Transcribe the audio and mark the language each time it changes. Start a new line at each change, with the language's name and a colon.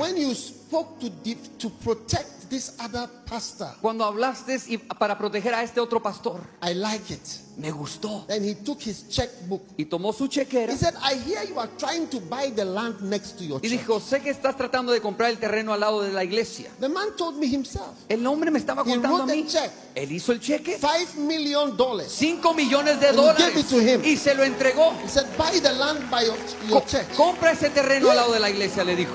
English: when you spoke to protect this other pastor,
Spanish: cuando hablaste para proteger a este otro pastor,
English: I like it,
Spanish: me gustó.
English: Then he took his checkbook,
Spanish: y tomó su chequera.
English: He said, I hear you are trying to buy the land next to your church.
Spanish: Y dijo, sé que estás tratando de comprar el terreno al lado de la iglesia.
English: The man told me himself,
Spanish: el hombre me estaba contando a mí.
English: Check,
Spanish: él hizo el cheque,
English: $5 million,
Spanish: 5 millones de dólares, y se lo entregó.
English: He said, buy the land by your church.
Spanish: Compra ese terreno, yeah, al lado de la iglesia, le dijo.